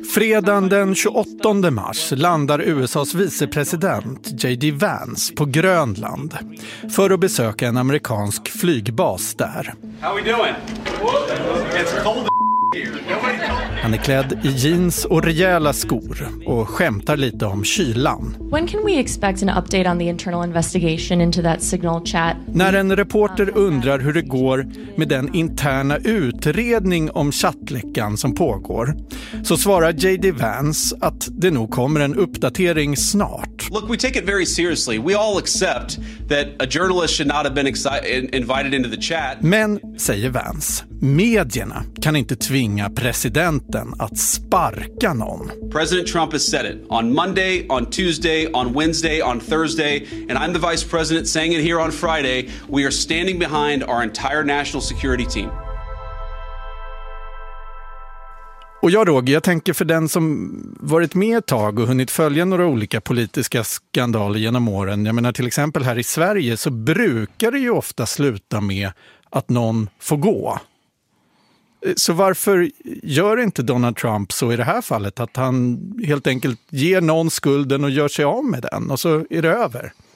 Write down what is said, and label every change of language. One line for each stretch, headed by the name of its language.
Swedish: Fredagen den 28 mars landar USA:s vicepresident J.D. Vance på Grönland för att besöka en amerikansk flygbas där.
English: How we doing? It's cold here.
Swedish: Han är klädd i jeans och rejäla skor och skämtar lite om kylan.
English: When can we expect an update on the internal investigation into that signal chat?
Swedish: När en reporter undrar hur det går med den interna utredning om chattläckan som pågår, så svarar JD Vance att det nog kommer en uppdatering snart.
English: Look, we take it very seriously. We all accept that a journalist should not have been invited into the chat.
Swedish: Men, säger Vance, medierna kan inte tvinga presidenten att sparka någon.
English: President Trump has said it on Monday, on Tuesday, on Wednesday, on Thursday, and I'm the vice president saying it here on Friday. We are standing behind our entire national security team.
Swedish: Och jag, Roger, jag tänker för den som varit med ett tag och hunnit följa några olika politiska skandaler genom åren. Jag menar, till exempel här i Sverige så brukar det ju ofta sluta med att någon får gå. Så varför gör inte Donald Trump så i det här fallet att han helt enkelt ger någon skulden och gör sig av med den och så är det över?